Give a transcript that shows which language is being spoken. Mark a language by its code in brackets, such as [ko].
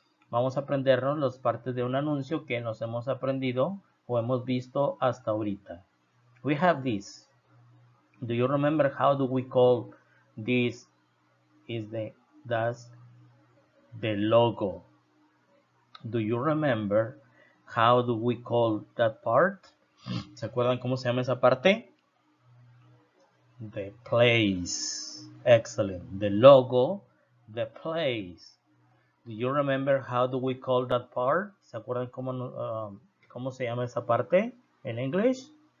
[es] Vamos a aprendernos las partes de un anuncio que nos hemos aprendido o hemos visto hasta ahorita. [en] We have this. Do you remember how do we call this? Is the that's the logo. Do you remember how do we call that part? [es] ¿Se acuerdan cómo se llama esa parte? [en] The place. Excellent. The logo, the place. Do you remember how do we call that part? [es] ¿Se acuerdan cómo, cómo se llama esa parte en English?